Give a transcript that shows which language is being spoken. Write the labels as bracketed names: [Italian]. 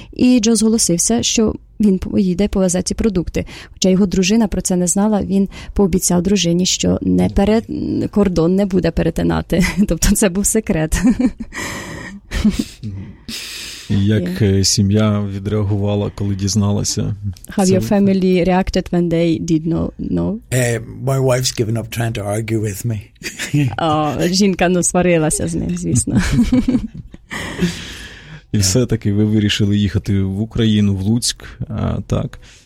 [Ukrainian] І Джо зголосився, що він поїде і повезе ці продукти. Хоча його дружина про це не знала, він пообіцяв дружині, що кордон не буде перетинати. Тобто це був секрет. Як сім'я відреагувала, коли дізналася? [English] How your family reacted when they did not know? My wife's given up trying to argue with me. [Ukrainian] Жінка сварилася з ним, звісно. І все-таки ви вирішили їхати в Україну, в Луцьк, так.